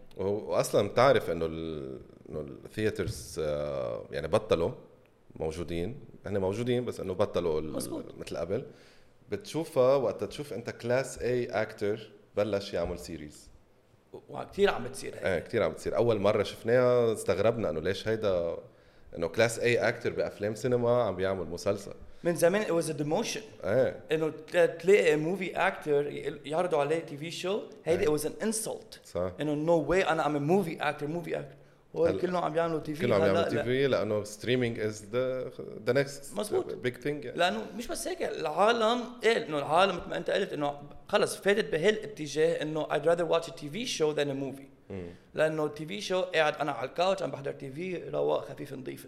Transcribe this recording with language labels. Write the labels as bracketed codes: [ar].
[ar] واصلا بتعرف انه الثياترز يعني بطلوا موجودين هن موجودين بس انه بطلوا مثل قبل بتشوفها وقت تشوف انت كلاس اي اكتر بلش يعمل سيريز وكثير عم بتصير هيك كثير عم بتصير اول مره شفناها استغربنا انه ليش هيدا انه كلاس اي اكتر بافلام سينما عم بيعمل مسلسل من زمان [en] it was a demotion. [ar] ايه. انه تلاقي [en] a movie actor [ar] يعرضوا عليه [en] TV show [ar] هيدي [en] it was an insult. [ar] صح. انه [en] no way [ar] انا [en] I'm a movie actor. [ar] وكلهم عم يعملوا TV. كلهم عم يعملوا TV لانه [en] streaming is the next [ar] مزبوط. [en] Big thing. Yeah. [ar] لانه مش بس هيك العالم ايه انه العالم مثل ما انت قلت انه خلص فاتت بهالاتجاه انه [en] I'd rather watch a TV show than a movie. [ar] لانه TV show قاعد انا على الكاوتش عم بحضر TV رواق خفيف نظيف.